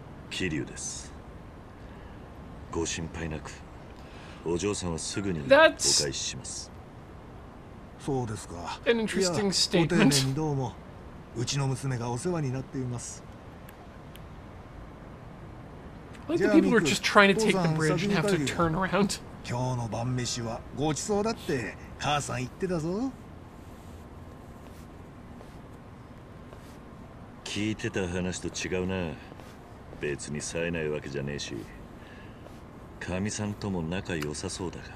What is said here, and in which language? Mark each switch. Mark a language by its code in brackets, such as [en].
[ja] キリュウです。ご心配なく。お嬢さんはすぐにお返しします。そうですか。 [en] An interesting statement. [ja] ご丁寧にどうも。うちの娘がお世話になっています。 [en] I like the people who are just trying to take the bridge and have to turn around. [ja] 今日の晩飯はごちそうだって母さん言ってたぞ。聞いてた話と違うな。別に冴えないわけじゃねえし、神さんとも仲良さそうだが。